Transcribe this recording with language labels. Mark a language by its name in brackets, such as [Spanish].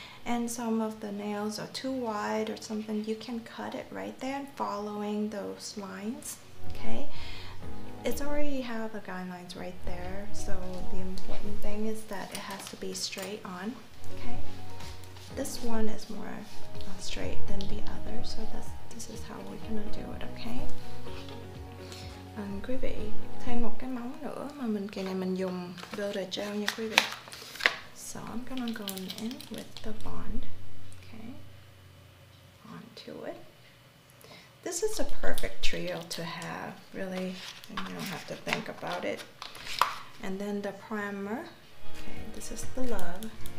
[English] And some of the nails are too wide or something, you can cut it right there and following those lines, okay? It's already have the guidelines right there, so the important thing is that it has to be straight on, okay? This one is more straight than the other, so this is how we're gonna do it, okay? [Vietnamese] Quý vị, thêm một cái móng nữa mà mình kỳ này mình dùng builder gel nha quý vị. [English] So I'm gonna go in with the bond, okay, onto it. This is a perfect trio to have, really, and you don't have to think about it. And then the primer, okay, this is the love.